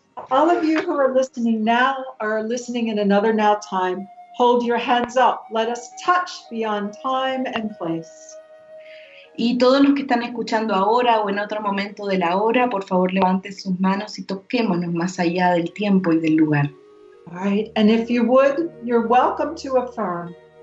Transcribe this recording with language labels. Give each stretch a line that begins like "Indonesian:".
English: All of you who are listening now are listening in another now time. Hold your hands up. Let us touch beyond time and place.
Spanish: Y todos los que están escuchando ahora o en otro momento de la hora, por favor levanten sus manos y toquémonos más allá del tiempo y del lugar.
English: All right, and if you would, you're welcome to affirm.